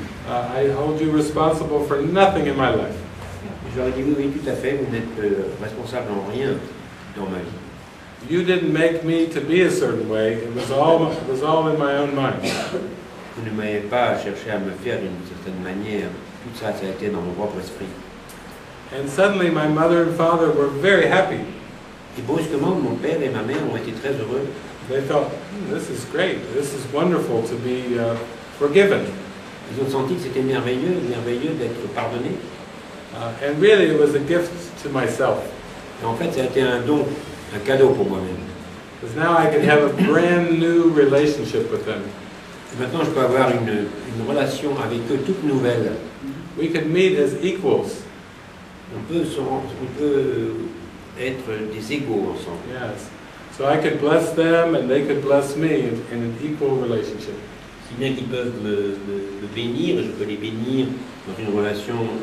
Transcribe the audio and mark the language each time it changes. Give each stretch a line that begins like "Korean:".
English: I hold you responsible for nothing in my life.
French: J'aurais dit oui, tout à fait, vous n'êtes responsable en rien dans ma vie.
English: You didn't make me to be a certain way, it was all in my own mind.
French: Vous ne m'avez pas cherché à me faire d'une certaine manière, tout ça, ça a été dans mon propre esprit.
English: And suddenly my mother and father were very happy.
French: Et brusquement, mon père et ma mère ont été très heureux.
English: They thought, this is great, this is wonderful to be forgiven.
French: Ils ont senti que c'était merveilleux, merveilleux d'être pardonné.
English: And really, it was a gift to myself.
French: Et en fait, ça a été un don, un cadeau pour moi-même.
English: Because now I can have a brand new relationship with them.
French: Et maintenant, je peux avoir une relation avec eux toute nouvelle.
English: We can meet as equals.
French: On peut être des égaux ensemble. Yes.
English: So I could bless them, and they could bless me in an equal relationship.
French: Si bien qu'ils peuvent me bénir, je peux les bénir dans une relation.